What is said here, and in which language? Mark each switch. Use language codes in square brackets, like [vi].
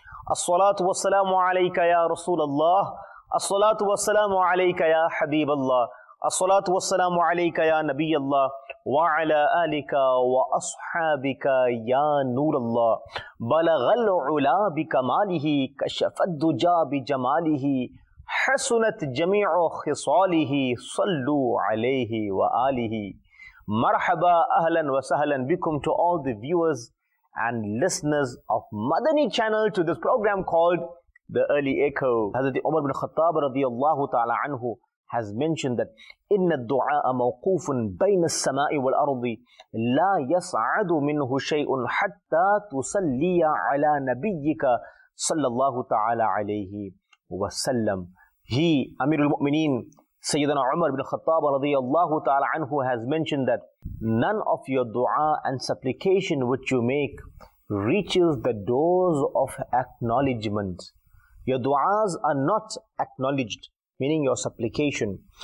[ar] As-salatu wa salamu alayka ya Rasulullah, as-salatu wa salamu alayka ya Habiballah, as-salatu wa salamu alayka ya Nabiyallah, wa ala alika wa ashabika ya Nurallah, balaghal ula bi kamalihi, kashafaddu ja bi jamalihi, حسنت جميع خصاله صلوا عليه وآله مرحبا أهلا وسهلا بكم [en] to all the viewers and listeners of Madani channel to this program called The Early Echo. Hazrat Umar bin Khattab رضي الله تعالى عنه has mentioned that [ar] إن الدعاء موقوف بين السماء والأرض لا يصعد منه شيء حتى تصلي على نبيك صلى الله تعالى عليه وسلم. [en] He, Amirul Mu'mineen, Sayyidina Umar bin Khattab radiyallahu ta'ala anhu, has mentioned that none of your dua and supplication which you make reaches the doors of acknowledgement. Your duas are not acknowledged, meaning your supplication.